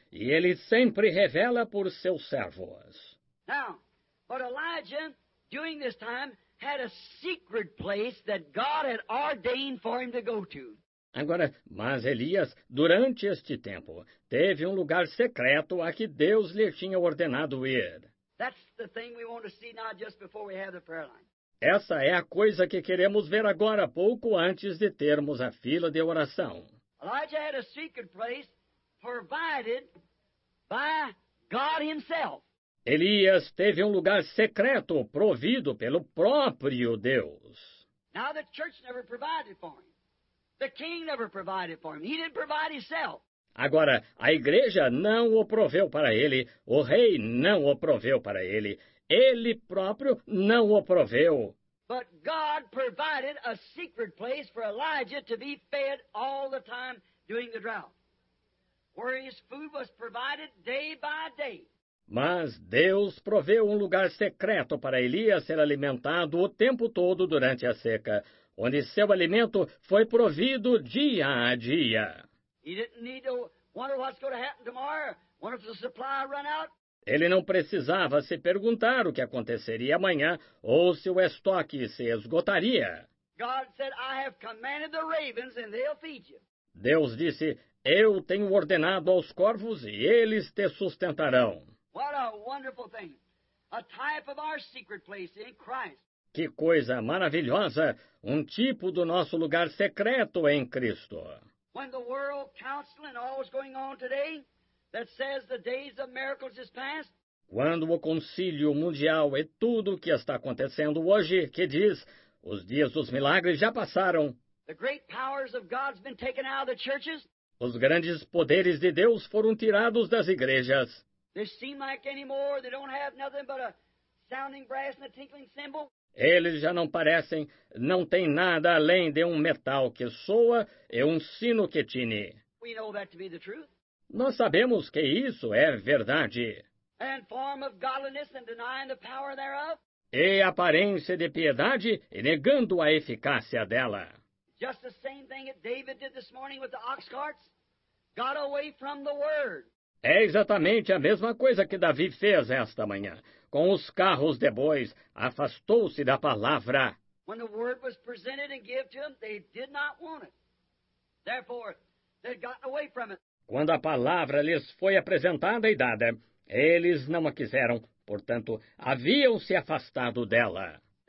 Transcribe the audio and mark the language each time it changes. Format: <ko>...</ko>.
<pt>E ele sempre revela por seus servos.</pt> <en>Now, but Elijah, during this time, had a secret place that God had ordained for him to go to.</en> <pt>Agora, mas Elias, durante este tempo, teve lugar secreto a que Deus lhe tinha ordenado ir.</pt> <en>That's the thing we want to see now just before we have the prayer line.</en> <pt>Essa é a coisa que queremos ver agora, pouco antes de termos a fila de oração.</pt> <en>Elijah had a secret place provided by God himself.</en> <pt>Elias teve lugar secreto provido pelo próprio Deus.</pt> <en>Now the church never provided for him. The king never provided for him. He didn't provide himself.</en> <pt>Agora, a igreja não o proveu para ele. O rei não o proveu para ele. Ele próprio não o proveu.</pt> <en>But God provided a secret place for Elijah to be fed all the time during the drought, where his food was provided day by day.</en> <pt>Mas Deus proveu lugar secreto para Elias ser alimentado o tempo todo durante a seca, onde seu alimento foi provido dia a dia.</pt> <en>He didn't need to wonder what's going to happen tomorrow, wonder if the supply run out.</en> <pt>Ele não precisava se perguntar o que aconteceria amanhã ou se o estoque se esgotaria.</pt> <en>God said, I have commanded the ravens and they'll feed you.</en> <pt>Deus disse, eu tenho ordenado aos corvos e eles te sustentarão.</pt> <en>What a wonderful thing. A type of our secret place in Christ.</en> <pt>Que coisa maravilhosa, tipo do nosso lugar secreto em Cristo.</pt> <en>When the world council and all is going on today, that says the days of miracles is past.</en> <pt>Quando o concílio mundial é tudo o que está acontecendo hoje, que diz, os dias dos milagres já passaram.</pt> <en>The great powers of God's been taken out of the churches.</en> <pt>Os grandes poderes de Deus foram tirados das igrejas.</pt> <en>They seem like anymore, they don't have nothing but a sounding brass and a tinkling cymbal.</en> <pt>Eles já não parecem, não têm nada além de metal que soa e sino que tine.</pt> <en>We know that to be the truth.</en> <pt>Nós sabemos que isso é verdade.</pt> <en>And form of godliness and denying the power thereof.</en> <pt>E aparência de piedade e negando a eficácia dela.</pt> <en>Just the same thing that David did this morning with the ox carts. Got away from the word.</en> <pt>É exatamente a mesma coisa que Davi fez esta manhã. Com os carros de bois, afastou-se da palavra.</pt> <en>When the word was presented and given to them, they did not want it. Therefore, they'd gotten away from it.</en> <pt>Quando a palavra lhes foi apresentada e dada, eles não a quiseram, portanto, haviam se afastado dela.</pt>